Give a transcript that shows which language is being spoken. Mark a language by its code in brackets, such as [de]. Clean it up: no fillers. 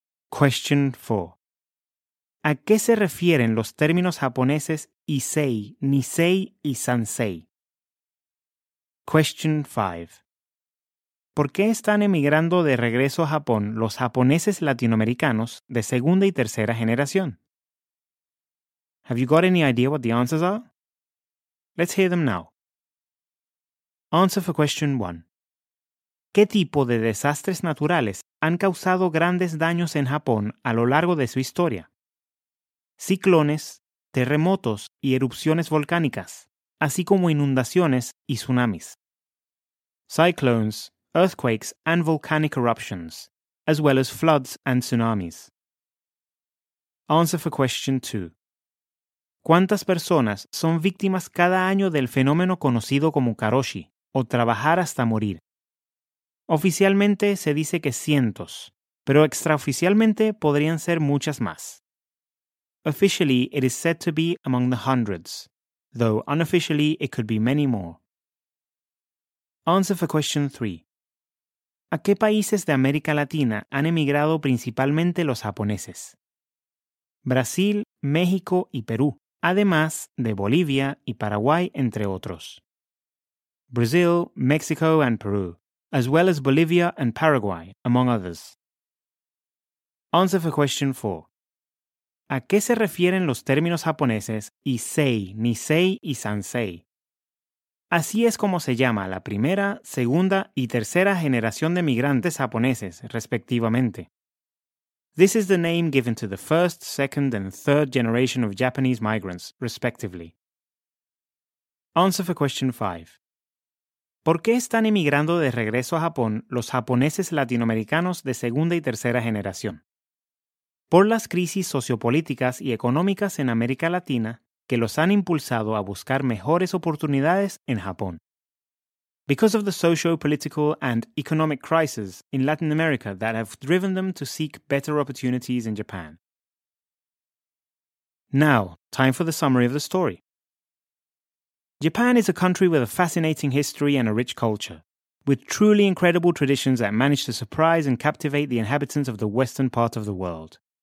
[en] Question 4. [es] ¿A qué se refieren los términos japoneses Issei, Nisei y Sansei? [en] Question 5. [es] ¿Por qué están emigrando de regreso a Japón los japoneses latinoamericanos de segunda y tercera generación? [en] Have you got any idea what the answers are? Let's hear them now. Answer for question 1. [es] ¿Qué tipo de desastres naturales han causado grandes daños en Japón a lo largo de su historia? Ciclones, terremotos y erupciones volcánicas, así como inundaciones y tsunamis. [en] Cyclones, earthquakes and volcanic eruptions, as well as floods and tsunamis. Answer for question 2. [es] ¿Cuántas personas son víctimas cada año del fenómeno conocido como karoshi, o trabajar hasta morir? Oficialmente se dice que cientos, pero extraoficialmente podrían ser muchas más. [en] Officially, it is said to be among the hundreds, though unofficially it could be many more. Answer for question 3. [es] ¿A qué países de América Latina han emigrado principalmente los japoneses? Brasil, México y Perú, además de Bolivia y Paraguay, entre otros. [en] Brazil, Mexico and Peru, as well as Bolivia and Paraguay, among others. Answer for question 4. [es] ¿A qué se refieren los términos japoneses Issei, Nisei y Sansei? Así es como se llama la primera, segunda y tercera generación de migrantes japoneses, respectivamente. [en] This is the name given to the first, second and third generation of Japanese migrants, respectively. Answer for question 5. [es] ¿Por qué están emigrando de regreso a Japón los japoneses latinoamericanos de segunda y tercera generación? Por las crisis sociopolíticas y económicas en América Latina que los han impulsado a buscar mejores oportunidades en Japón. [en] Because of the socio-political and economic crises in Latin America that have driven them to seek better opportunities in Japan. Now, time for the summary of the story. Japan is a country with a fascinating history and a rich culture, with truly incredible traditions that manage to surprise and captivate the inhabitants of the western part of the world.